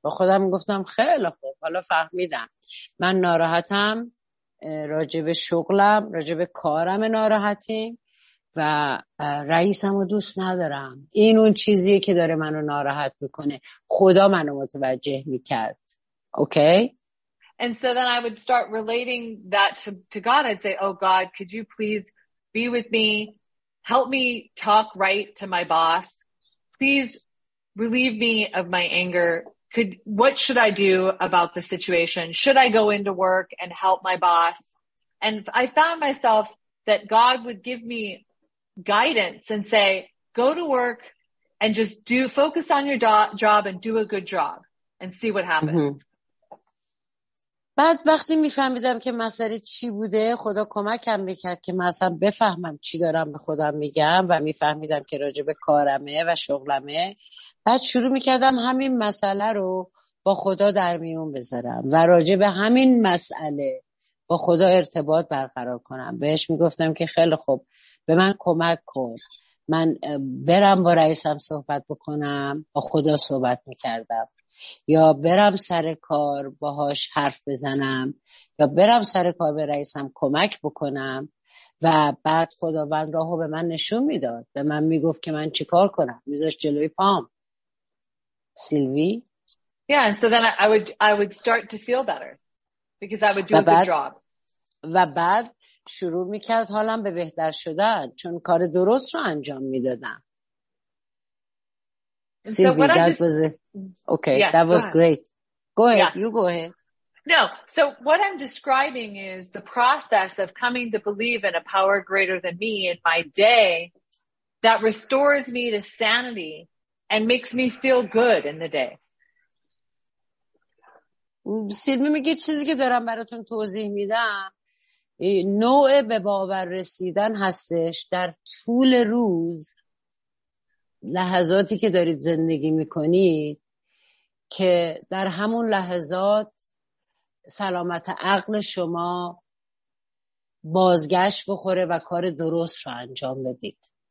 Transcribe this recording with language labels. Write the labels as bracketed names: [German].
[Persian] با خودم گفتم خیلی خوب، حالا فهمیدم. من ناراحتم راجب شغلم، راجب کارم ناراحتیم و رئیسم رو دوست ندارم. این اون چیزیه که داره منو ناراحت میکنه. خدا منو متوجه میکرد. اوکی؟ [English] Okay? And so then I would start relating that to God. I'd say, "Oh God, could you please be with me? Help me talk right to my boss. Please relieve me of my anger. What should I do about the situation? Should I go into work and help my boss?" And I found myself that God would give me guidance and say, "Go to work and just do focus on your job and do a good job and see what happens." [Persian] بعد وقتی میفهمیدم که مسئله چی بوده، خدا کمکم میکرد که من اصلا بفهمم چی دارم به خودم میگم و میفهمیدم که راجع به کارمه و شغلمه. بعد شروع میکردم همین مسئله رو با خدا در میون بذارم و راجع به همین مسئله با خدا ارتباط برقرار کنم. بهش میگفتم که خیلی خوب به من کمک کن، من برم با رئیسم صحبت بکنم. با خدا صحبت میکردم، یا برم سر کار باهاش حرف بزنم، یا برم سر کار به رئیسم کمک بکنم. و بعد خداوند راهو به من نشون میداد، به من میگفت که من چی کار کنم، میذاش جلوی پام. سیلوی؟ [English] Yeah, so then I would start to feel better because I would do a good job. [Persian] و بعد شروع میکرد حالم به بهتر شدن چون کار درست رو انجام میدادم. [English] Sylvie, so that was okay. Yes, that was great. Go ahead. Yeah. You go ahead. No. So what I'm describing is the process of coming to believe in a power greater than me in my day that restores me to sanity and makes me feel good in the day. [Persian] Sylvie, میگه چیزی که دارم براتون توضیح میدم نوع به باور رسیدن هستش در طول روز، لحظاتی که دارید زندگی میکنید که در همون لحظات سلامت عقل شما بازگشت بخوره و کار درست رو انجام بدید.